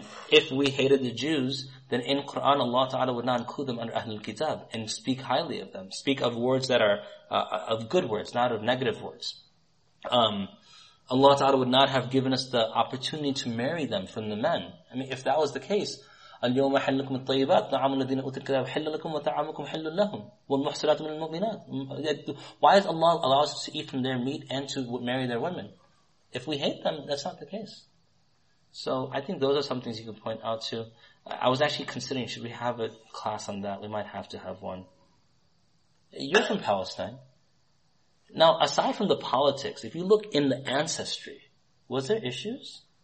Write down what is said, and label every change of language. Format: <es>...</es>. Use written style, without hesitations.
<en>If we hated the Jews, then in Quran, Allah Ta'ala would not include them under Ahlul Kitab and speak highly of them. Speak of words that are of good words, not of negative words. Allah Ta'ala would not have given us the opportunity to marry them from the men. I mean, if that was the case,</en> <ar>اليوم أحل لكم الطيبات نعم الذين أوتوا الكتاب حل لكم وطعامكم حل لهم والمحصنات من المؤمنات.</ar> <en>Why does Allah allow us to eat from their meat and to marry their women? If we hate them, that's not the case. So I think those are some things you can point out to. I was actually considering, should we have a class on that? We might have to have one. You're from Palestine. Now, aside from the politics, if you look in the ancestry, was there issues?</en>